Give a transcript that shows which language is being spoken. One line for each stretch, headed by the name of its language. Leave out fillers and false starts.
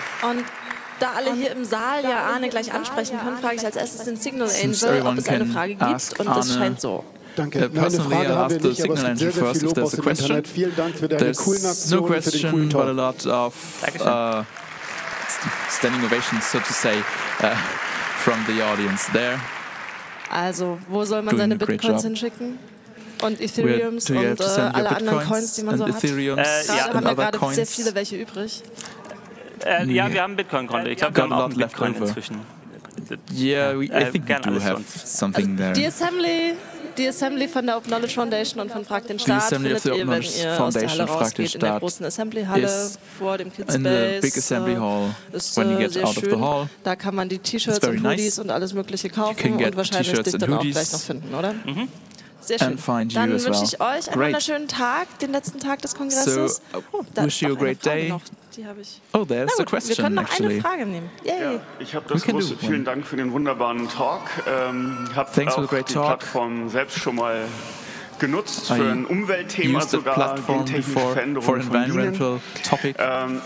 German: Und da alle hier im Saal ja Arne gleich ansprechen können, frage ich als erstes den Signal Angel, ob es eine Frage gibt. Und das scheint so. Danke. Eine Frage haben wir nicht, aber es gibt sehr, sehr viel Lob aus dem Internet. Vielen Dank für deine coolen Aktionen, für den coolen Talk.
English: A lot of standing ovations, so to say, from the audience there.
German: Also, wo soll man seine Bitcoins hinschicken? Und Ethereums und alle anderen Coins, die man so hat? Gerade haben wir gerade sehr viele welche übrig. Ja, wir haben Bitcoin-Konto. Ich glaube, wir haben auch ein Bitcoin inzwischen.
English: Yeah, I think we do have something there.
German: Die Assembly von der Open Knowledge Foundation und von Frag den Staat findet ihr, wenn ihr Foundation aus der Halle rausgeht, in der großen Assembly-Halle vor dem Kids-Space.
English: In the big Assembly Hall, when you get out of the hall.
German: Da kann man die T-Shirts und Hoodies und alles Mögliche kaufen und wahrscheinlich dich dann auch gleich noch finden, oder? Sehr schön. Dann wünsche ich euch einen wunderschönen Tag, den letzten Tag des Kongresses.
English: Oh, wish you a great day. Oh, there's the question, actually.
German: Wir können eine Frage nehmen. Yay. Ja, ich habe das große vielen Dank für den wunderbaren Talk. Plattform selbst schon mal genutzt für ein Umweltthema, sogar gentechnische Veränderungen von Bienen.